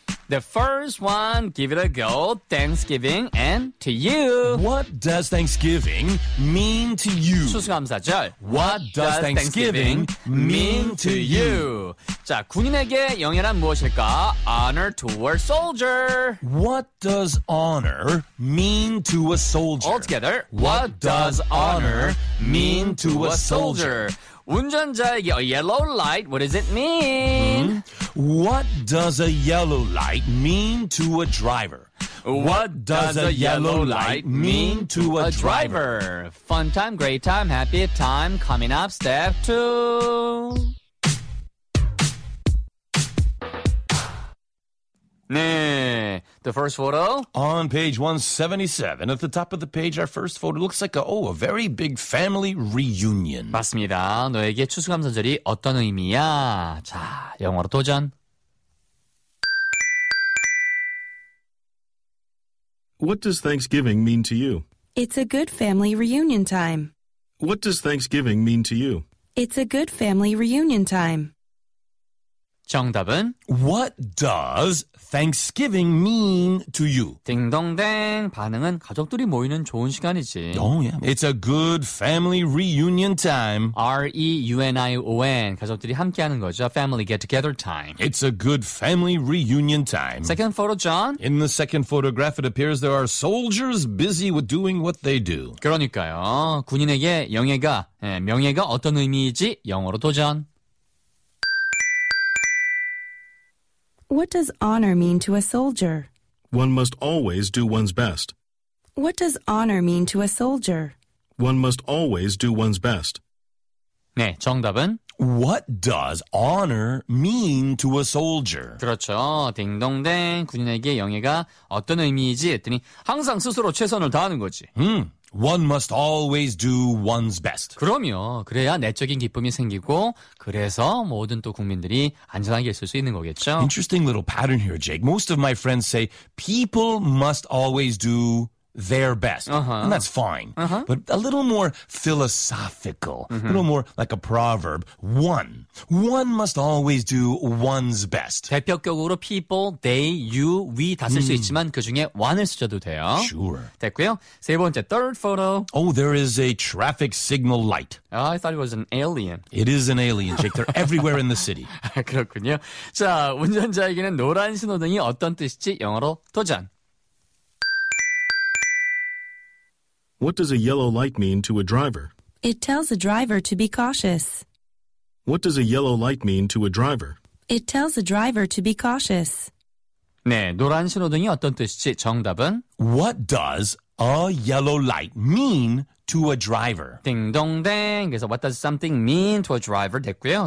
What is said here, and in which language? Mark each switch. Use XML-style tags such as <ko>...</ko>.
<en>The first one, give it a go. Thanksgiving and to you. What does Thanksgiving mean to you?</en> <ko>추수감사절.</ko> <en>What does Thanksgiving mean to you?</en> <ko>자, 군인에게 영예란 무엇일까?</ko> <en>Honor to a soldier. What does honor mean to a soldier? Altogether, what does honor mean to a soldier?</en> <ko>운전자에게</ko> <en>a yellow light, what does it mean? What does a yellow light mean to a driver? What does a yellow light mean to a driver? Fun time, great time, happy time, coming up step two. The first photo? On page 177, at the top of the page, our first photo looks like a very big family reunion.</en> <ko>맞습니다. 너에게 추수감사절이 어떤 의미야? 자, 영어로 도전.</ko> <en>What does Thanksgiving mean to you? It's a good family reunion time. What does Thanksgiving mean to you? It's a good family reunion time.</en> <ko>정답은?</ko> <en>What does Thanksgiving mean to you?</en> <ko>딩동댕. 반응은 가족들이 모이는 좋은 시간이지.</ko> <en>Oh, yeah. It's a good family reunion time. R-E-U-N-I-O-N.</en> <ko>가족들이 함께하는 거죠.</ko> <en>Family get together time. It's a good family reunion time. Second photo, John? In the second photograph, it appears there are soldiers busy with doing what they do.</en> <ko>그러니까요. 군인에게 영예가, 예, 명예가 어떤 의미이지? 영어로 도전.</ko> <en>What does honor mean to a soldier? One must always do one's best. What does honor mean to a soldier? One must always do one's best.</en> <ko>네, 정답은?</ko> <en>What does honor mean to a soldier?</en> <ko>그렇죠. 딩동댕. 군인에게 영예가 어떤 의미이지? 했더니 항상 스스로 최선을 다하는 거지.</ko> <en>One must always do one's best.</en> <ko>그럼요. 그래야 내적인 기쁨이 생기고 그래서 모든 또 국민들이 안전하게 있을 수 있는 거겠죠.</ko> <en>Interesting little pattern here, Jake. Most of my friends say people must always do their best. Uh-huh. And that's fine. Uh-huh. But a little more philosophical, mm-hmm. a little more like a proverb. One must always do one's best.</en> <ko>대표격으로</ko> <en>people, they, you, we</en> <ko>다 쓸 수 있지만 그 중에 one을 쓰셔도 돼요.</ko> <en>Sure.</en> <ko>됐고요. 세 번째,</ko> <en>third photo. Oh, there is a traffic signal light. I thought it was an alien. It is an alien, Jake. They're everywhere in the city.</en> <ko>그렇군요. 자, 운전자에게는 노란 신호등이 어떤 뜻인지 영어로 도전.</ko> <en>What does a yellow light mean to a driver? It tells a driver to be cautious. What does a yellow light mean to a driver? It tells a driver to be cautious.</en> <ko>네, 노란 신호등이 어떤 뜻인지 정답은</ko> <en>What does a yellow light mean to a driver?</en> <ko>딩동댕. 그래서</ko> <en>what does something mean to a driver</en> <ko>됐고요.</ko>